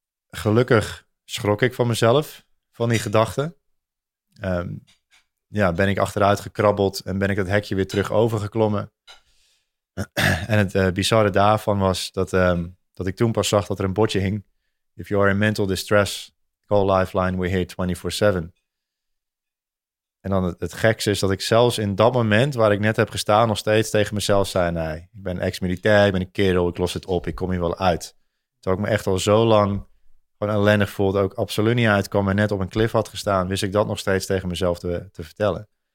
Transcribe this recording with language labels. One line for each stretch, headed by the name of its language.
Dutch: Gelukkig schrok ik van mezelf, van die gedachte. Ben ik achteruit gekrabbeld en ben ik dat hekje weer terug overgeklommen. En het bizarre daarvan was dat ik toen pas zag dat er een bordje hing.
English: If you are in mental distress, call Lifeline, we're here 24/7.
Dutch: En dan het gekste is dat ik zelfs in dat moment waar ik net heb gestaan, nog steeds tegen mezelf zei, nee, ik ben ex-militair, ik ben een kerel, ik los het op, ik kom hier wel uit. Terwijl ik me echt al zo lang gewoon ellendig voelde, ook absoluut niet uitkwam en net op een klif had gestaan, wist ik dat nog steeds tegen mezelf te vertellen.